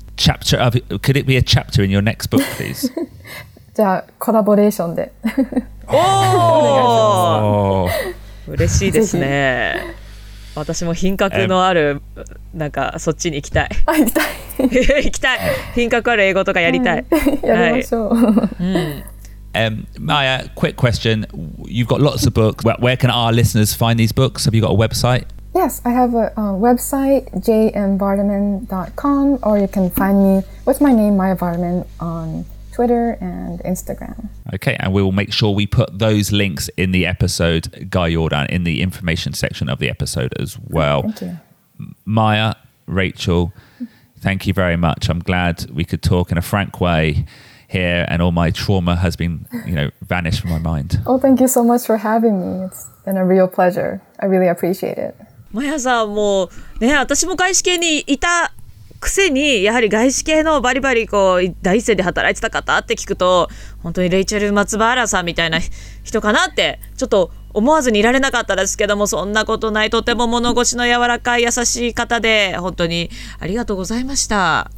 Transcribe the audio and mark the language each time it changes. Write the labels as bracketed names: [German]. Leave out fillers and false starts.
[English] Chapter of, could it be a chapter in your next book, please? [Japanese] じゃあ、コラボレーションで。おー!嬉しいですね。私も品格のある、なんかそっちに行きたい。あ、行きたい。行きたい。品格ある英語とかやりたい。やりましょう。 [English] Maya, quick question. You've got lots of books. Where can our listeners find these books? Have you got a website? Yes, I have a website, jmvardaman.com, or you can find me with my name, Maya Vardaman, on Twitter and Instagram. Okay, and we will make sure we put those links in the episode, Guy Jordan, in the information section of the episode as well. Thank you. Maya, Rachel, thank you very much. I'm glad we could talk in a frank way. here, and all my trauma has been, you know, vanished from my mind. Oh, thank you so much for having me. It's been a real pleasure. I really appreciate it. [Japanese] マヤさんもね、私も外資系にいたくせに、やはり外資系のバリバリこう第一線で働いてた方って聞くと、本当にレイチェル・松原さんみたいな人かなってちょっと思わずにいられなかったですけども、そんなことない、とても物腰の柔らかい優しい方で本当にありがとうございました。